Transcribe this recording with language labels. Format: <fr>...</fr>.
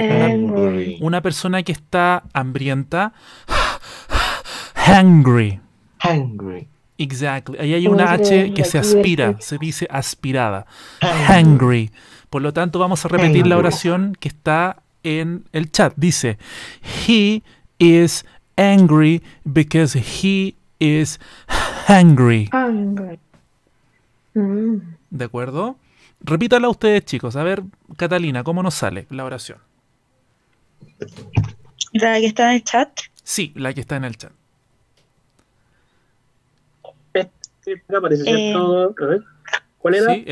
<en>Angry.</en> <es>Una persona que está hambrienta, hangry.</es> <en>Hangry. Exactly.</en> <es>Ahí hay una H que se aspira, se dice aspirada. Hangry. Por lo tanto, vamos a repetir la oración que está en el chat. Dice,</es> <en>he is angry because he is hangry.</en> <es>¿De acuerdo? Repítala ustedes, chicos. A ver, Catalina, ¿cómo nos sale la oración? ¿La que está en el chat? Sí, la que está en el chat. Aparece, ¿cierto? ¿Cuál era?</es>